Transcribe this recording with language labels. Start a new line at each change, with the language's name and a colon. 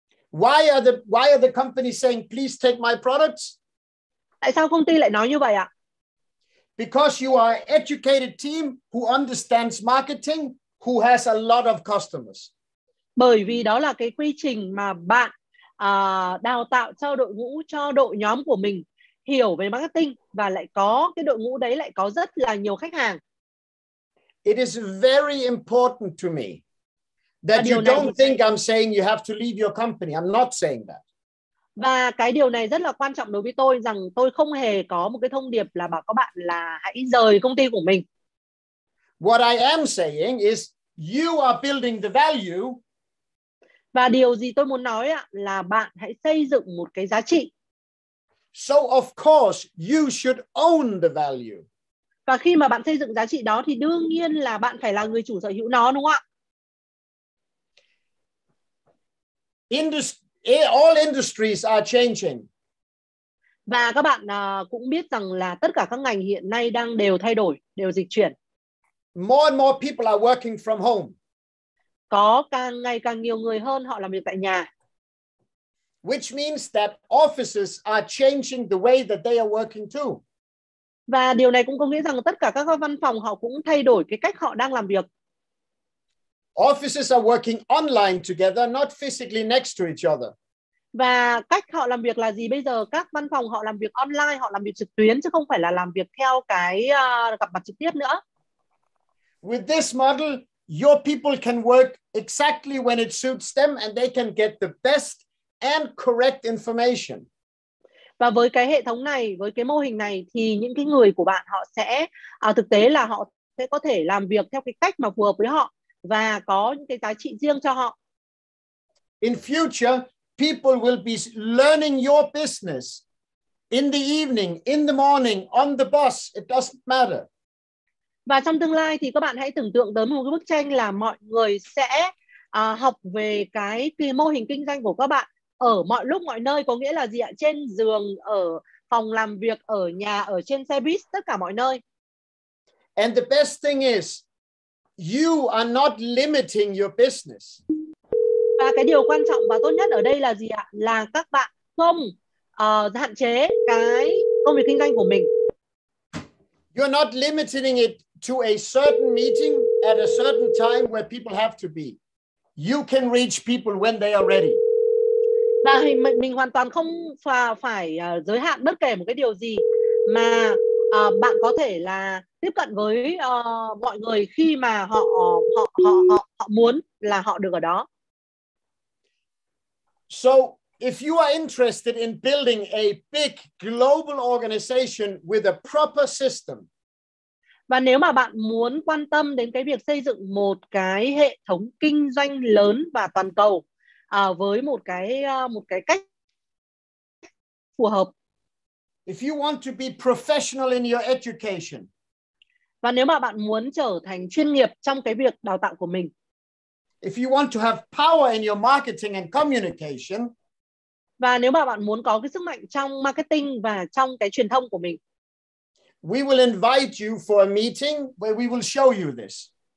English: Why are the companies saying please take my products?
Vietnamese: Tại sao công ty lại nói như vậy ạ?
English: Because you are an educated team who understands marketing, who has a lot of customers.
Vietnamese: Bởi vì đó là cái quy trình mà bạn đào tạo cho đội ngũ, cho đội nhóm của mình hiểu về marketing và lại có cái đội ngũ đấy lại có rất là nhiều khách hàng.
English: It is very important to me that you don't think I'm saying you have to leave your company. I'm not saying that.
Vietnamese: Và cái điều này rất là quan trọng đối với tôi rằng tôi không hề có một cái thông điệp là bảo các bạn là hãy rời công ty của mình.
English: What I am saying is you are building the value.
Vietnamese: Và điều gì tôi muốn nói là bạn hãy xây dựng một cái giá trị.
English: So of course you should own the value.
Vietnamese: Và khi mà bạn xây dựng giá trị đó thì đương nhiên là bạn phải là người chủ sở hữu nó, đúng không ạ?
English: All industries are changing.
Vietnamese: Và các bạn cũng biết rằng là tất cả các ngành hiện nay đang đều thay đổi, đều dịch chuyển.
English: More and more people are working from home.
Vietnamese: Có càng ngày càng nhiều người hơn họ làm việc tại nhà.
English: Which means that offices are changing the way that they are working too.
Vietnamese: Và điều này cũng có nghĩa rằng tất cả các văn phòng họ cũng thay đổi cái cách họ đang làm việc.
English: Offices are working online together, not physically next to each other.
Vietnamese: Và cách họ làm việc là gì bây giờ? Các văn phòng họ làm việc online, họ làm việc trực tuyến chứ không phải là làm việc theo cái gặp mặt trực tiếp nữa.
English: With this model, your people can work exactly when it suits them and they can get the best and correct information.
Vietnamese: Và với cái hệ thống này, với cái mô hình này thì những cái người của bạn họ sẽ thực tế là họ sẽ có thể làm việc theo cái cách mà phù hợp với họ và có những cái giá trị riêng cho họ.
English: In future, people will be learning your business in the evening, in the morning, on the bus, it doesn't matter.
Vietnamese: Và trong tương lai thì các bạn hãy tưởng tượng tới một cái bức tranh là mọi người sẽ học về cái mô hình kinh doanh của các bạn ở mọi lúc, mọi nơi, có nghĩa là gì ạ? Trên giường, ở phòng làm việc, ở nhà, ở trên xe buýt, tất cả mọi nơi.
English: And the best thing is, you are not limiting your business.
Vietnamese: Và cái điều quan trọng và tốt nhất ở đây là gì ạ? Là các bạn không hạn chế cái công việc kinh doanh của mình.
English: You're not limiting it to a certain meeting at a certain time where people have to be. You can reach people when they are ready.
Vietnamese: Và mình hoàn toàn không phải giới hạn bất kể một cái điều gì mà bạn có thể là tiếp cận với mọi người khi mà họ muốn là họ được ở đó.
English: So if you are interested in building a big global organization with a proper system.
Vietnamese: Và nếu mà bạn muốn quan tâm đến cái việc xây dựng một cái hệ thống kinh doanh lớn và toàn cầu với một cái cách phù hợp.
English: If you want to be professional in your education.
Vietnamese: Và nếu mà bạn muốn trở thành chuyên nghiệp trong cái việc đào tạo của mình.
English: If you want to have power in your marketing and communication,
Vietnamese: và nếu mà bạn muốn có cái sức mạnh trong marketing và trong cái truyền thông của mình,
English: we will invite you for a meeting where we will show you this.